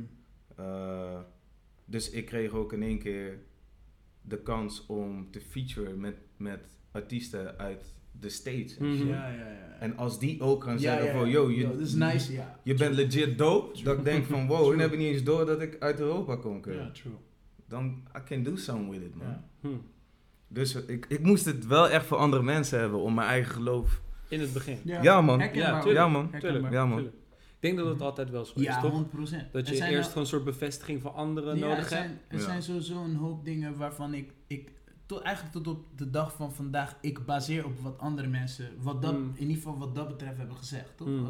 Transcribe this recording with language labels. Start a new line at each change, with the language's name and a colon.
Dutch: Mm. Dus ik kreeg ook in 1 keer de kans om te featuren met artiesten uit de States. Mm-hmm. Ja. En als die ook gaan zeggen van, yo,
English: this is nice,
Dutch: je bent legit dope, dat ik denk van, wow, dan heb ik niet eens door dat ik uit Europa kon kunnen. Ja, true.
English: Dan, I can do something with it, man. Yeah.
Dutch: Dus ik moest het wel echt voor andere mensen hebben om mijn eigen geloof. In het begin. Ja, man. Ik denk dat het altijd wel zo is, toch? Ja, 100%. Dat je eerst gewoon een soort bevestiging van anderen nodig hebt. Er zijn sowieso een hoop dingen waarvan ik tot op de dag van vandaag, ik baseer op wat andere mensen, wat dat betreft hebben gezegd, toch?